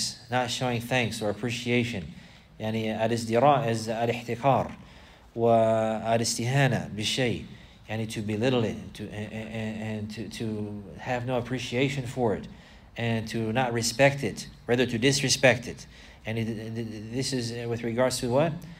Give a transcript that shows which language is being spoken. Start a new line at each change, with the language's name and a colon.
English: Not showing thanks or appreciation.
Arabic: يعني الازدراء
English: is
Arabic: الاحتقار والاستهانة بالشيء.
English: يعني to belittle it and to have no appreciation for it and to not respect it, rather to disrespect it. And this is with regards to what?